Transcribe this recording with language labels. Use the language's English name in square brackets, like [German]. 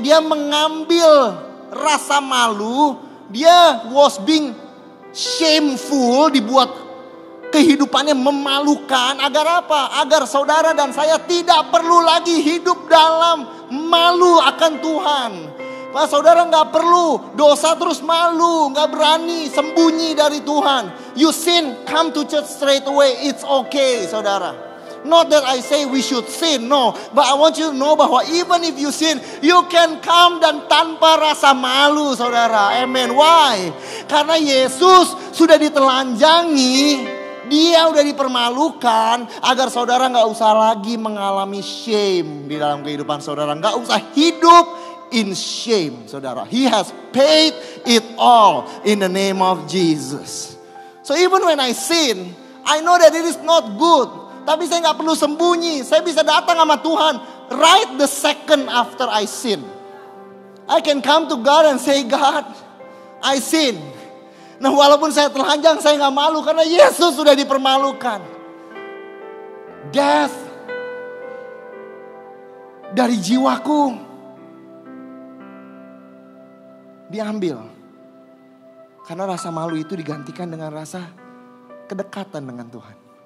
[Indonesian] Dia mengambil rasa malu. Dia [English] was being shameful, [Indonesian] dibuat kehidupannya memalukan. Agar apa? Agar saudara dan saya tidak perlu lagi hidup dalam malu akan Tuhan. Pak, saudara gak perlu dosa terus malu, gak berani sembunyi dari Tuhan. [English] You sin, come to church straight away, it's okay saudara. Not that I say we should sin, no. But I want you to know bahwa even if you sin, you can come [Indonesian] dan tanpa rasa malu saudara. [English] Amen. Why? [Indonesian] Karena Yesus sudah ditelanjangi. Dia udah dipermalukan agar saudara gak usah lagi mengalami shame di dalam kehidupan saudara. Gak usah hidup [English] in shame, [Indonesian] saudara. [English] He has paid it all in the name of Jesus. So even when I sin, I know that it is not good. [Indonesian] Tapi saya gak perlu sembunyi. Saya bisa datang sama Tuhan [English] right the second after I sin. I can come to God and say, God, I sin. [Indonesian] Nah, walaupun saya telanjang, saya gak malu karena Yesus sudah dipermalukan. Death dari jiwaku diambil. Karena rasa malu itu digantikan dengan rasa kedekatan dengan Tuhan.